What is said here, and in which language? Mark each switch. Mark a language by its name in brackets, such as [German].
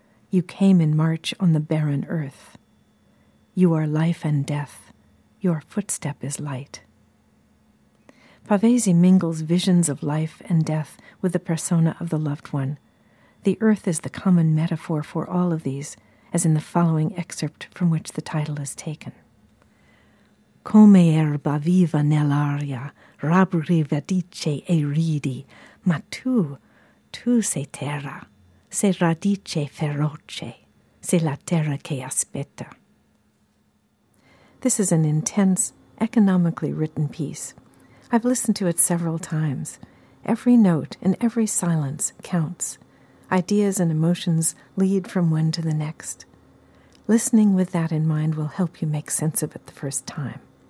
[English] You came in March on the barren earth. You are life and death. Your footstep is light. Pavese mingles visions of life and death with the persona of the loved one. The earth is the common metaphor for all of these, as in the following excerpt from which the title is taken. [Italian] Come erba viva nell'aria, rabri radice e ridi, ma tu sei terra, sei radice feroce, sei la terra che aspetta. [English] This is an intense, economically written piece. I've listened to it several times. Every note and every silence counts. Ideas and emotions lead from one to the next. Listening with that in mind will help you make sense of it the first time.